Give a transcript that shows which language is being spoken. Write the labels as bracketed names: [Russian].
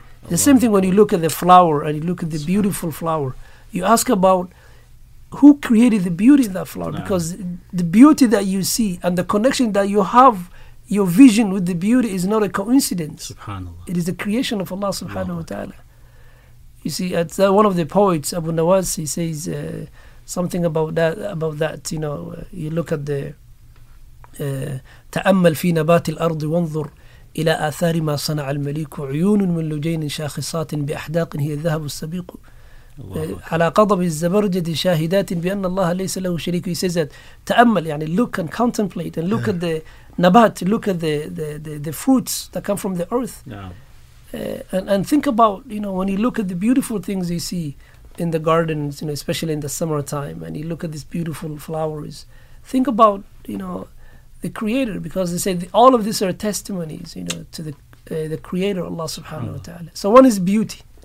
[English] The same thing when you look at the flower and you look at the beautiful flower. You ask about who created the beauty in that flower, because the beauty that you see and the connection that you have, your vision with the beauty, is not a coincidence. SubhanAllah. It is the creation of Allah subhanahu wa ta'ala. You see, one of the poets, Abu Nawas, he says something about that, you know, you look at the [Arabic] تأمل في نبات الأرض وانظر إلى آثار ما صنع المليك عيون من لجين شاخصات بأحداق هي الذهب السبيق على قضب الزبرجد شاهدات بأن الله ليس له شريك. [English] He says that تأمل, يعني look and contemplate and look at the نبات, look at the fruits that come from the earth. And think about, you know, when you look at the beautiful things you see in the gardens, you know, especially in the summertime, and you look at these beautiful flowers, think about, you know, the creator, because they say all of these are testimonies, you know, to the creator, Allah subhanahu wa ta'ala. So one is beauty.